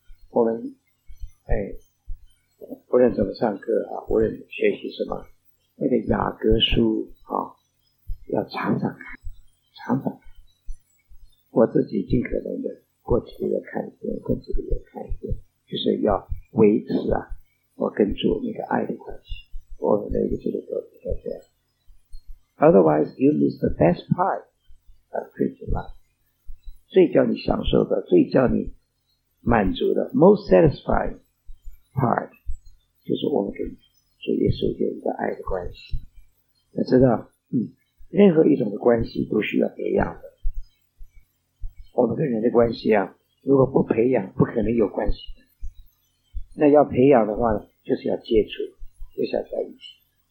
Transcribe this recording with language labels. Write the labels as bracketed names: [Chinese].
[Chinese] 我们不论怎么上课啊，无论学习什么，那个雅各书啊，要常常看，常常看。我自己尽可能的过几个月看一遍，过几个月看一遍，就是要维持啊，我跟主那个爱的关系。我们的一个基督徒应该这样。 [English] Otherwise, you miss the best part of Christian life， [Chinese] 最叫你享受的，最叫你满足的 [English] ，most satisfying part。 [Chinese] 就是我们跟主耶稣有一个爱的关系，要知道，任何一种的关系都需要培养的。我们跟人的关系啊，如果不培养，不可能有关系的。那要培养的话呢，就是要接触，就是要在一起。